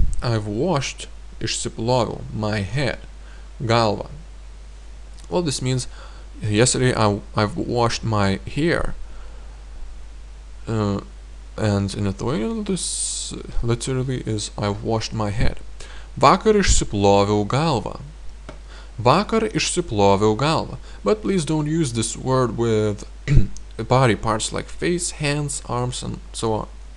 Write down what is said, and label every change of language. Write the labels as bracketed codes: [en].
[en] I've washed, išsiplovau, my head, galvą. Well, this means, yesterday I've washed my hair. And in Lithuanian, this literally is, I've washed my head. [lt] Vakar išsiploviau galvą. Vakar išsiploviau galvą. [en] But please don't use this word with body parts like face, hands, arms, and so on.